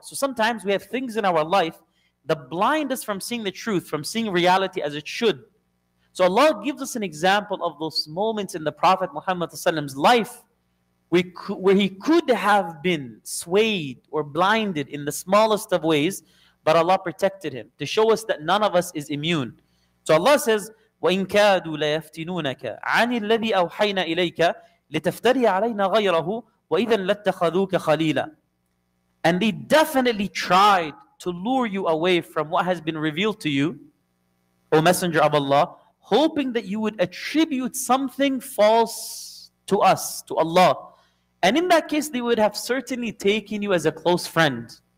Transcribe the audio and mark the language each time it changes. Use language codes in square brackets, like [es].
[en] So sometimes we have things in our life that blind us from seeing the truth, from seeing reality as it should. So Allah gives us an example of those moments in the Prophet Muhammad's life where he could have been swayed or blinded in the smallest of ways, but Allah protected him to show us that none of us is immune. So Allah says, [ar] وَإِنْ كَادُوا لَيَفْتِنُونَكَ عَنِ الَّذِي أَوْحَيْنَا إِلَيْكَ لِتَفْتَرِيَ عَلَيْنَا غَيْرَهُ وَإِذًا لَتَّخَذُوكَ خَلِيلًا. [en] And they definitely tried to lure you away from what has been revealed to you, O Messenger of Allah, hoping that you would attribute something false to us, to Allah. And in that case, they would have certainly taken you as a close friend.